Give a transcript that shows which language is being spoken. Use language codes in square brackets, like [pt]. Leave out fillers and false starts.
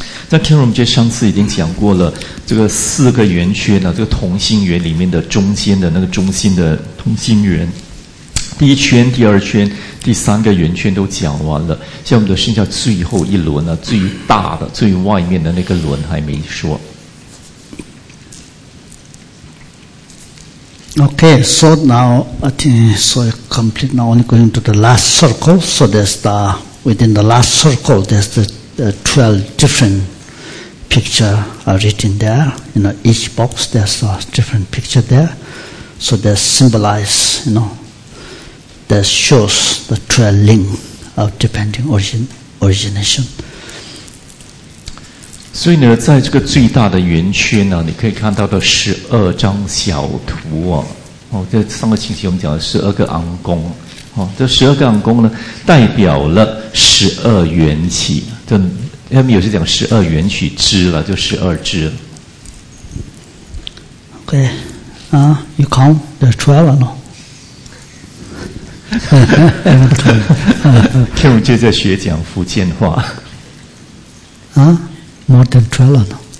[zh] 那 Ken Rom Jay 上次已经讲过了，这个四个圆圈呢，这个同心圆里面的中间的那个中心的同心圆，第一圈、第二圈、第三个圆圈都讲完了，现在我们剩下最后一轮了，最大的、最外面的那个轮还没说。 [en] Okay, so now I think so complete now only going to the last circle. So there's the within the last circle there's the 12 different picture are written there. You know, each box there's a different picture there. So that symbolize, you know, that shows the 12 link of depending origination. [zh] 所以呢，在这个最大的圆圈呢，你可以看到的十二张小图啊。哦，这上个星期我们讲了十二个昂宫，哦，这十二个昂宫呢，代表了十二缘起。这他们有些讲十二缘起支了，就十二支了。 [en] Okay, you count the 12 or no? [zh] Kim 就在学讲福建话。 [en] 啊、，more than 12 了呢。